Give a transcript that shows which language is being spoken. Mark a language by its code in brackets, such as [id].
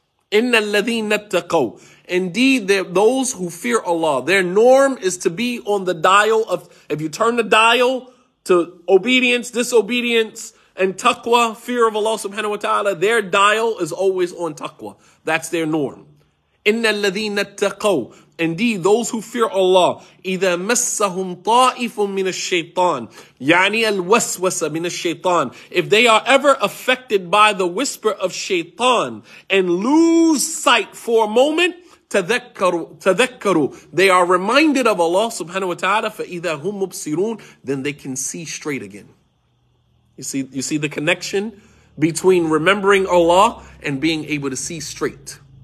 [ar] إِنَّ الَّذِينَ اتَّقَوْا. [en] Indeed, those who fear Allah, their norm is to be on the dial of, if you turn the dial to obedience, disobedience, and taqwa, fear of Allah subhanahu wa ta'ala, their dial is always on taqwa. That's their norm. [ar] إِنَّ الَّذِينَ اتَّقَوْا. [en] Indeed, those who fear Allah, [ar] إِذَا مَسَّهُمْ طَائِفٌ مِّنَ الشَّيْطَانِ يَعْنِي الْوَسْوَسَ مِّنَ الشَّيْطَانِ. [en] If they are ever affected by the whisper of shaitan and lose sight for a moment, [ar] تَذَكَّرُوا, [en] they are reminded of Allah subhanahu wa ta'ala, [ar] فَإِذَا هُمْ مُبْصِرُونَ, [en] then they can see straight again. You see the connection between remembering Allah and being able to see straight.